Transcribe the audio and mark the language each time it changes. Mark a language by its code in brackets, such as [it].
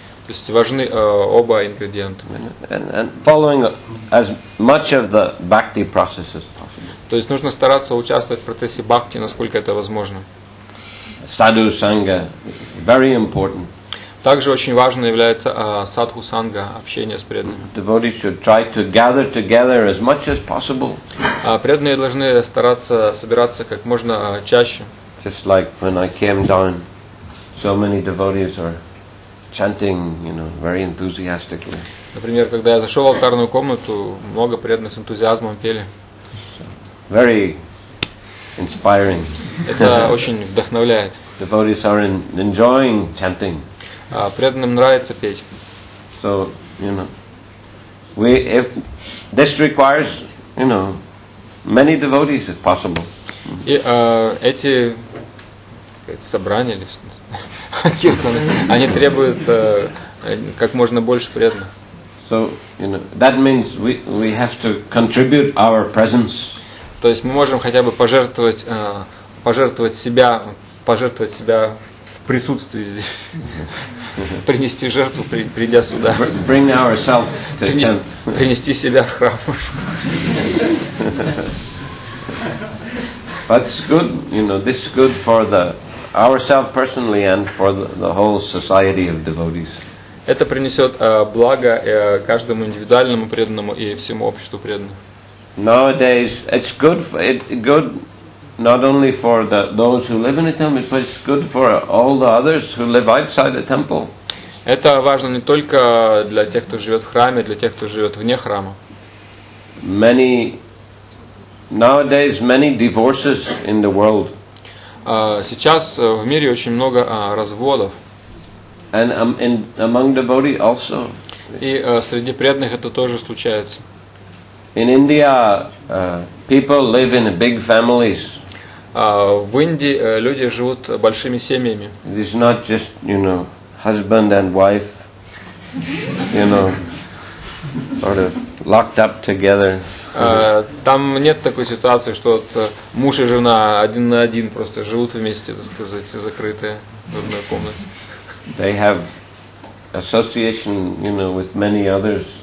[ru] То есть важны оба ингредиента. [en] And following as much of the bhakti process as possible. [ru] То есть нужно стараться участвовать в процессе бхакти, насколько это возможно. [en] Sadhu sangha very important. [ru] Также очень важно является садху санга, общение с преданными. [en] Devotees should try to gather together as much as possible. [ru] Преданные должны стараться собираться как можно чаще. [en] Just like when I came down, so many devotees are chanting, you know, very enthusiastically. [ru] Например, когда я зашел в алтарную комнату, много преданных с энтузиазмом пели. [en] Very inspiring. [ru] Это очень вдохновляет. [en] Devotees are enjoying chanting. [ru] Преданным нравится петь. [en] So, you know, if this requires, you know, many devotees, it's possible. [ru] И эти собрания или киртаны, они требуют как можно больше преданных. [en] So, you know, that means we have to contribute our presence. [ru] То есть мы можем хотя бы пожертвовать себя в присутствии здесь, принести жертву, придя сюда. [en] Bring ourselves to [ru] принести себя в храм. [en] But it's good, you know, this is good for the ourselves personally and for the whole society of devotees. [ru] Это принесет благо каждому индивидуальному преданному и всему обществу преданных. [en] Nowadays, it's good for, good not only for the those who live in the temple, but it's good for all the others who live outside the temple. [ru] Это важно не только для тех, кто живет в храме, для тех, кто живет вне храма. [en] Many nowadays many divorces in the world. [ru] Сейчас в мире очень много разводов. [en] And among devotees also. [ru] И среди преданных это тоже случается. [en] In India, people live in big families. [ru] В Индии люди живут большими семьями. [en] It is not just, you know, husband and wife, you know, sort of locked up together. [ru] Там нет такой ситуации, что вот муж и жена один на один просто живут вместе, так сказать, закрытые в одной комнате. [en] They have association, you know, with many others.